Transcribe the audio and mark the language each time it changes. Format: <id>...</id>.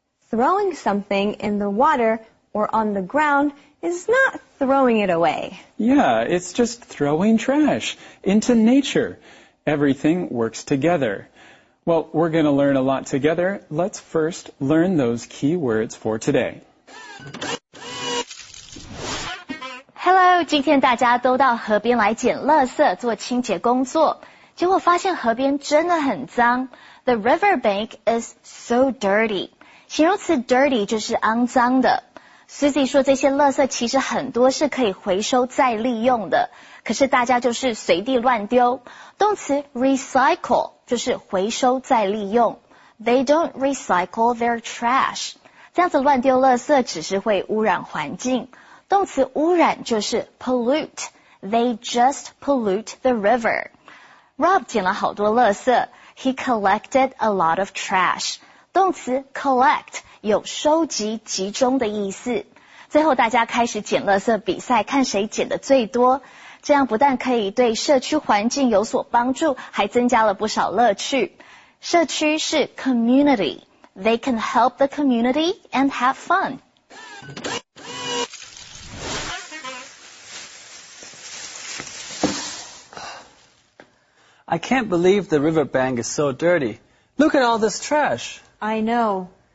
<en>Throwing something in the water or on the ground is not throwing it away. Yeah, it's just throwing trash into nature. Everything works together. Well, we're going to learn a lot together. Let's first learn those key words for today.</en> <zh>Hello, 今天大家都到河边来捡垃圾做清洁工作，结果发现河边真的很脏。</zh> <en>The river bank is so dirty.</en> <zh>形容词 dirty 就是肮脏的。Susie 说这些垃圾其实很多是可以回收再利用的，可是大家就是随地乱丢。动词 recycle 就是回收再利用。</zh> <en>They don't recycle their trash.</en> <zh>这样子乱丢垃圾只是会污染环境。动词污染就是 pollute.</zh> <en>They just pollute the river.</en> <zh>Rob 捡了好多垃圾。</zh> <en>He collected a lot of trash.</en> <zh>动词 collect. 有收集集中的意思。最后大家开始捡垃圾比赛，看谁捡的最多，这样不但可以对社区环境有所帮助，还增加了不少乐趣。社区是 community.</zh> <en>They can help the community and have fun. I can't believe the river bank is so dirty. Look at all this trash. I know.</en>